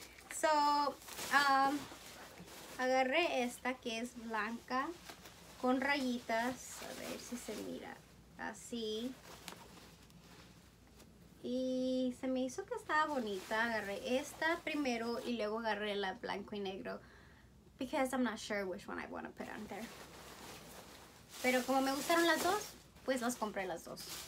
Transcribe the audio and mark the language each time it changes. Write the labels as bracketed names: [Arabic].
[Spanish] So, agarré esta que es blanca con rayitas. A ver si se mira así. Y se me hizo que estaba bonita. Agarré esta primero y luego agarré la blanco y negro. [English] Because I'm not sure which one I want to put on there. [Spanish] Pero como me gustaron las dos, pues las compré las dos.